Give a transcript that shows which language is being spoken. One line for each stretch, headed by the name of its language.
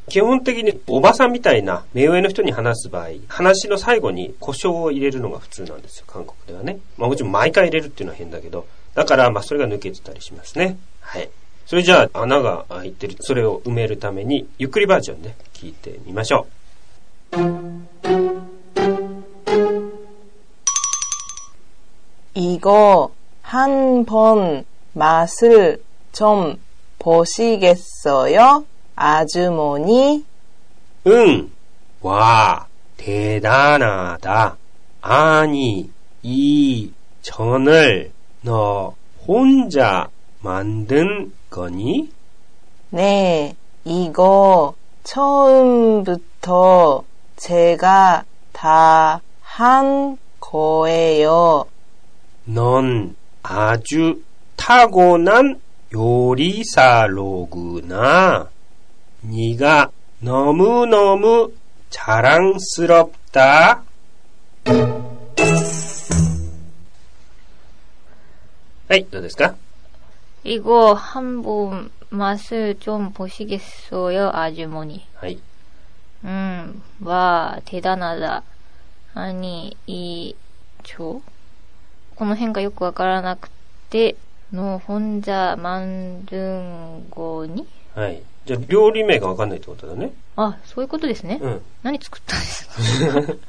Japanese: 基本的におばさんみたいな目上の人に話す場合、話の最後に呼称を入れるのが普通なんですよ、韓国ではね。まあもちろん毎回入れるっていうのは変だけど、だからまあそれが抜けてたりしますね。はい、それじゃあ穴が開いてる、それを埋めるためにゆっくりバージョンで聞いてみましょう。
Korean: 이거한번맛을좀보시겠어요아주머니？ 응。 와대단하다。 아니이전을너혼자만든거니？ 네이거처음부터제가다한거예요。 넌아주타고난요리사로구나。 네가너무너무자랑스럽다。
Japanese: はい、どうですか？
Korean: 이거한번맛을좀보시겠어요아주머니？
Japanese: はい。
Korean: 와대단하다。 아니이저
Japanese: この辺がよくわからなくて、のほんじゃまんるんごに。はい。じゃあ料理名がわかんないってことだね。あ、そういうことですね。うん。何作ったんですか？